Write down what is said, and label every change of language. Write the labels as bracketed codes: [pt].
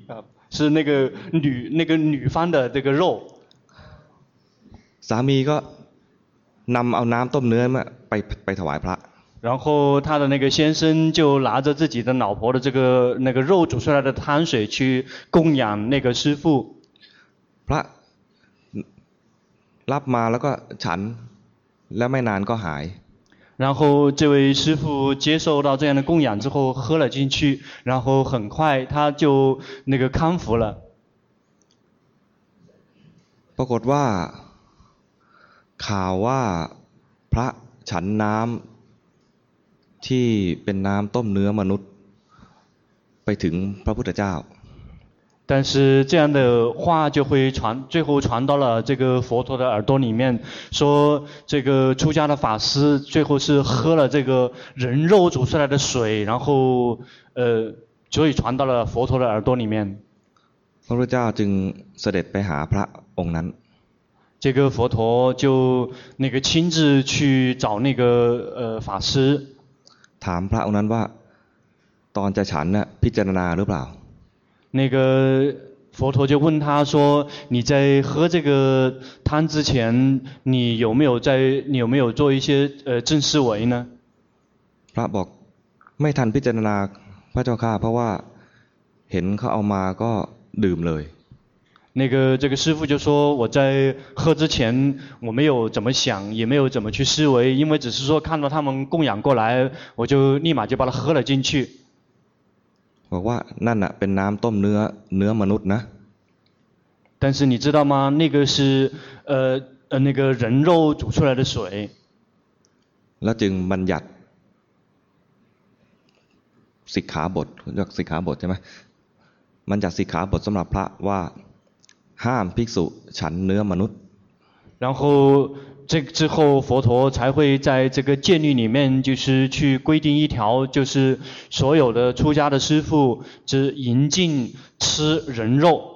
[zh] ครับ是那个女方的这个肉 [th] สามีก็นำเอาน้ำต้มเนื้อมาไปถวายพระ [zh] 然后他的那个先生就拿着自己的老婆的这个那个肉煮出来的汤水去供养那个师父 [th] พระรับมาแล้วก็ฉันแล้วไม่นานก็หาย [zh] 然后这位师父接受到这样的供养之后喝了进去然后很快他就那个康复了 [th] ปรากฏว่าข่าวว่าพระฉันน้ำที่เป็นน้ำต้มเนื้อมนุษย์ไปถึงพระพุทธเจ้า [zh] 但是这样的话就会传最后传到了这个佛陀的耳朵里面说这个出家的法师最后是喝了这个人肉煮出来的水然后所以传到了佛陀的耳朵里面 [th] พระพุทธเจ้าจึงเสด็จไปหาพระองค์นั้น [zh] 这个佛陀就那个亲自去找那个法师 [th] ถามพระองค์นั้นว่าตอนจะฉันน่ะพิจารณาหรือเปล่า [zh] 那个佛陀就问他说你在喝这个汤之前你有没有做一些正思维呢 [th] พระบอกไม่ทันพิจารณาพระเจ้าค่ะเพราะว่าเห็นเขาเอามาก็ดื่มเลย [zh] 那个这个师父就说我在喝之前我没有怎么想也没有怎么去思维因为只是说看到他们供养过来我就立马就把它喝了进去 [th] บอกว่านั่นน่ะเป็นน้ำต้มเนื้อมนุษย์นะ [zh] 但是你知道吗那个是那个人肉煮出来的水 [th] แล้วจึงบัญญัติสิกขาบทเรียกสิกขาบทใช่ไหมบัญญัติสิกขาบทสำหรับพระว่าห้ามภิกษุฉันเนื้อมนุษย์ [zh] 然后这之后佛陀才会在这个戒律里面就是去规定一条就是所有的出家的师父只饮禁吃人肉